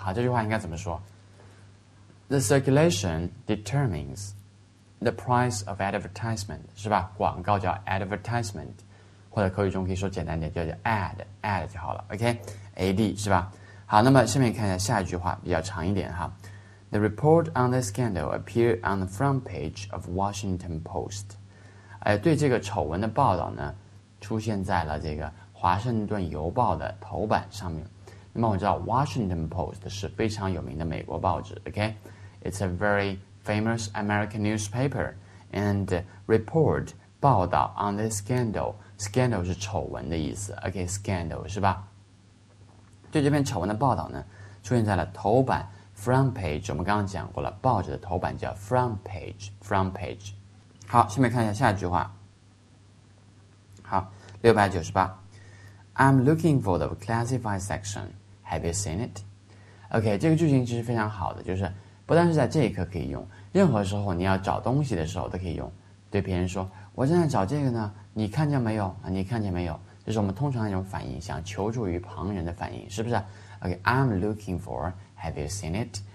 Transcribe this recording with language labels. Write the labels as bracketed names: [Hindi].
[Chinese] 好，这句话应该怎么说？ [English] The circulation determines the price of advertisement, [Chinese] 是吧？广告叫 advertisement, 或者口语中可以说简单点叫 ad 就好了， OK? AD 是吧？好，那么下面看一下下一句话，比较长一点哈。 [English] The report on the scandal appeared on the front page of Washington Post. [Chinese] 对这个丑闻的报道呢，出现在了这个华盛顿邮报的头版上面。那么我知道 Washington Post 是非常有名的美国报纸 ，OK? [English] It's a very famous American newspaper. And report 报道 on the scandal. [Chinese] Scandal 是丑闻的意思 ，OK? Scandal 是吧？对这篇丑闻的报道呢，出现在了头版 front page。我们刚刚讲过了，报纸的头版叫 front page。front page。好，下面看一下下一句话。好，698。 [English] I'm looking for the classified section. Have you seen it? [Chinese] OK, 这个句型其实非常好的，就是不但是在这一课可以用，任何时候你要找东西的时候都可以用。对别人说，我正在找这个呢，你看见没有？你看见没有？这是我们通常的一种反应，想求助于旁人的反应，是不是？ [English] OK, I'm looking for, have you seen it?